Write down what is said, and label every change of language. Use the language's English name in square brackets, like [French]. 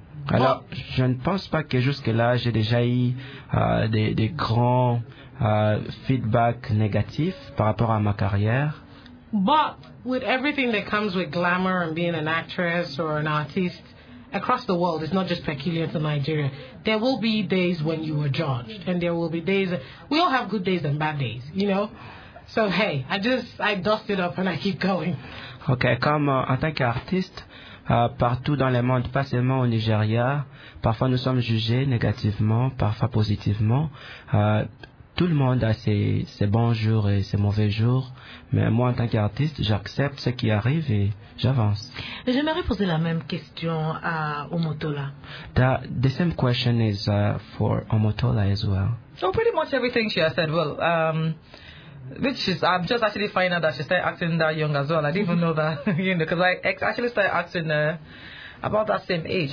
[French] Alors, je ne pense pas que jusque-là, j'ai déjà eu des grands feedbacks négatifs par rapport à ma carrière. [English] But with everything that comes with glamour and being an actress or an artist across the world, it's not just peculiar to Nigeria. There will be days when you are judged, and there will be days we all have good days and bad days, you know. So hey, I dust it up and I keep going. [French] Okay, comme en tant qu'artiste, partout dans le monde, pas seulement au Nigeria, parfois nous sommes jugés négativement, parfois positivement. Tout le monde a ses bons jours et ses mauvais jours, mais moi, en tant qu'artiste, j'accepte ce qui arrive et j'avance. J'aimerais poser la même question à Omotola. [English] The same question is for Omotola as well. So pretty much everything she has said. Well, I'm just actually finding out that she started acting that young as well. I didn't even know that, you know, because I actually started acting about that same age.